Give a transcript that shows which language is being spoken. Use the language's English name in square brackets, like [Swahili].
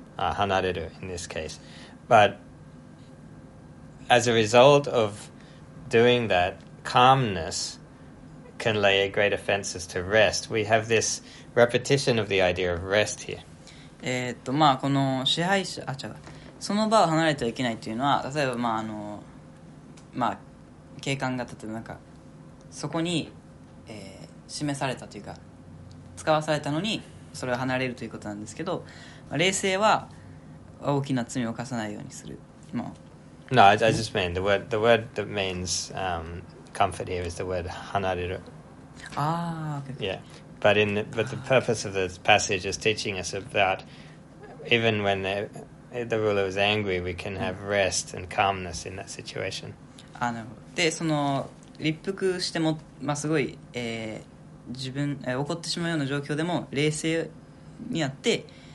[English] Hanareru in this case. But as a result of doing that, calmness can lay a great offenses to rest. We have this repetition of the idea of rest here. [Japanese] まあ、この支配者、あ、違う。その場を離れてはいけないというのは、例えば、まあ、まあ、警官が、例えば、なんか、そこに、示されたというか、使わされたのに、それを離れるということなんですけど、まあ、冷静は、大きな罪を犯さないようにする。まあ、 [English] No, I just mean the word that means comfort here is the word hanareru. Okay. Yeah, but the purpose of this passage is teaching us about even when the ruler is angry, we can have rest and calmness in that situation. [Japanese] で、その立腹しても、まあ、すごい、自分、怒ってしまうような状況でも冷静にあって。